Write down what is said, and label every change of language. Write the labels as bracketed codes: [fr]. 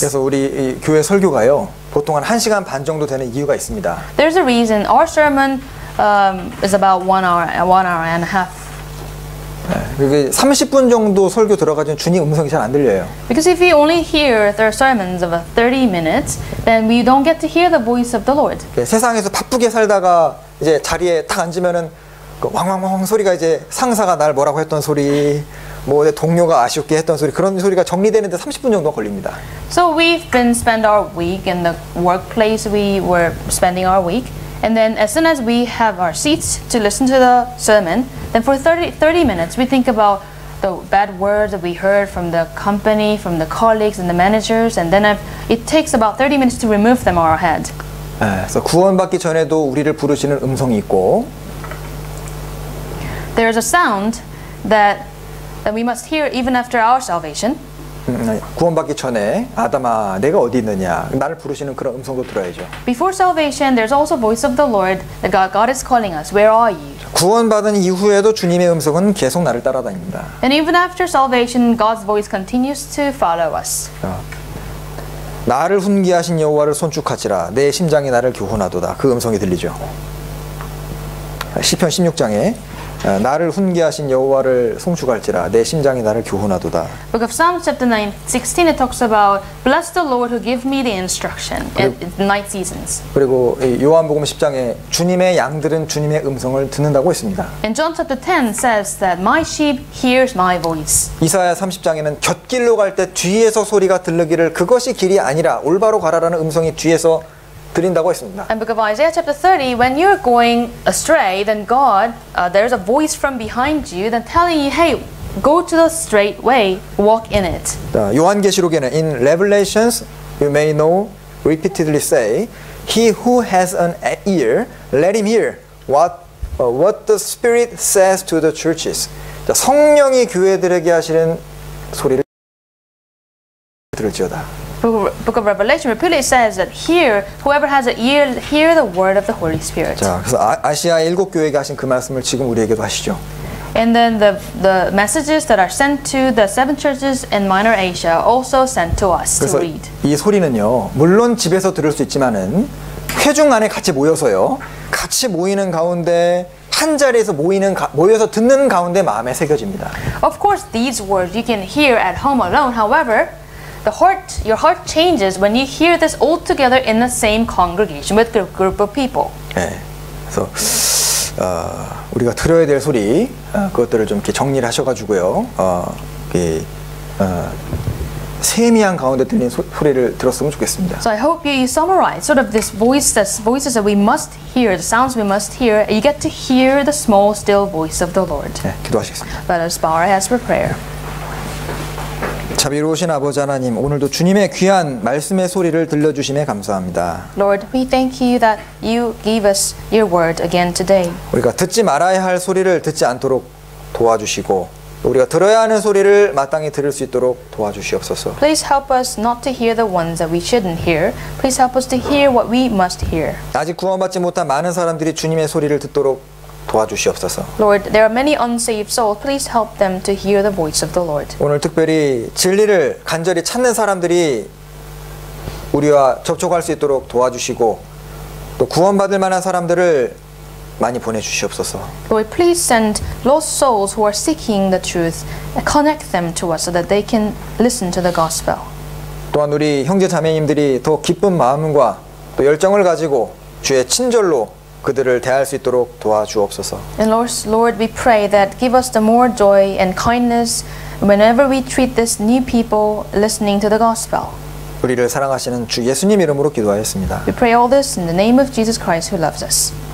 [ko] 그래서 우리 이 교회 설교가요. 보통 한 1시간 반 정도 되는 이유가 있습니다. [en] There's a reason our sermon is about 1 hour and a half. [ko] 네, 이게 30분 정도 설교 들어가지면 주님 음성이 잘 안 들려요. [en] Because if we only hear their sermons of 30 minutes, then we don't get to hear the voice of the Lord. [ko] 네, 세상에서 바쁘게 살다가 이제 자리에 딱 앉으면은 그 왕왕왕 소리가 이제 상사가 날 뭐라고 했던 소리, 뭐 내 동료가 아쉽게 했던 소리 그런 소리가 정리되는데 30분 정도 걸립니다. [en] So we've been spend our week in the workplace we were spending our week. And then as soon as we have our seats to listen to the sermon, then for 30 minutes, we think about the bad words that we heard from the company, from the colleagues and the managers, and then it takes about 30 minutes to remove them out of our head. [ko] 네, 구원받기 전에도 우리를 부르시는 음성이 있고 [en] There is a sound that Then we must hear even after our salvation. [ko] 구원받기 전에 아담아 내가 어디 있느냐 나를 부르시는 그런 음성도 들어야죠. [en] Before salvation, there's also voice of the Lord that God is calling us. Where are you? [ko] 구원받은 이후에도 주님의 음성은 계속 나를 따라다닙니다. [en] And even after salvation, God's voice continues to follow us. [ko] 나를 훈계하신 여호와를 손축하지라 내 심장이 나를 교훈하도다. 그 음성이 들리죠. 시편 16장에 나를 훈계하신 여호와를 송축할지라 내 심장이 나를 교훈하도다. [en] Book of Psalms chapter 9:16 it talks about bless the Lord who give me the instruction at night seasons. [ko] 그리고 요한복음 10장에 주님의 양들은 주님의 음성을 듣는다고 했습니다. [en] And John chapter 10 says that my sheep hears my voice. [ko] 이사야 30장에는 곁길로 갈 때 뒤에서 소리가 들르기를 그것이 길이 아니라 올바로 가라라는 음성이 뒤에서 드린다고 했습니다. [en] And book of Isaiah chapter 30, when you're going astray, then God, there's a voice from behind you that telling you, hey, go to the straight way, walk in it. [ko] 요한계시록에는 [en] in Revelations, you may know, repeatedly say, he who has an ear, let him hear what the Spirit says to the churches. [ko] 성령이 교회들에게 하시는 소리를 들을지어다. [en] Book of Revelation repeatedly says that here, whoever has an ear, hear the word of the Holy Spirit. [ko] 자, 그래서 아시아 일곱 교회에게 하신 그 말씀을 지금 우리에게도 하시죠. [en] And then the messages that are sent to the seven churches in Minor Asia also sent to us to read. [ko] 이 소리는요, 물론 집에서 들을 수 있지만은 회중 안에 같이 모여서요, 같이 모이는 가운데. 한 자리에서 모여서 듣는 가운데 마음에 새겨집니다. [en] Of course, these words you can hear at home alone. However, your heart changes when you hear this all together in the same congregation with a group of people. [ko] 네, 그래서 우리가 들어야 될 소리 그것들을 좀 이렇게 정리를 하셔가지고요, 세미한 가운데 들린 소리를 들었으면 좋겠습니다. [en] So I hope you summarize sort of this voices that we must hear, the sounds we must hear. You get to hear the small, still voice of the Lord. [ko] 네, 기도하시겠습니다. [en] Let us bow our heads for prayer. [ko] 자비로우신 아버지 하나님, 오늘도 주님의 귀한 말씀의 소리를 들려주심에 감사합니다. [en] Lord, we thank you that you gave us your word again today. [ko] 우리가 듣지 말아야 할 소리를 듣지 않도록 도와주시고. 우리가 들어야 하는 소리를 마땅히 들을 수 있도록 도와주시옵소서. [en] Please help us not to hear the ones that we shouldn't hear. Please help us to hear what we must hear. [ko] 아직 구원받지 못한 많은 사람들이 주님의 소리를 듣도록 도와주시옵소서. [en] Lord, there are many unsaved souls. Please help them to hear the voice of the Lord. [ko] 오늘 특별히 진리를 간절히 찾는 사람들이 우리와 접촉할 수 있도록 도와주시고 또 구원받을 만한 사람들을 많이 보내주시옵소서. [en] Lord, please send lost souls who are seeking the truth. Connect them to us so that they can listen to the gospel. [ko] 또한 우리 형제 자매님들이 더 기쁜 마음과 또 열정을 가지고 주의 친절로 그들을 대할 수 있도록 도와주옵소서. [en] And Lord, we pray that give us the more joy and kindness whenever we treat this new people listening to the gospel. [ko] 우리를 사랑하시는 주 예수님 이름으로 기도하였습니다. [en] We pray all this in the name of Jesus Christ who loves us.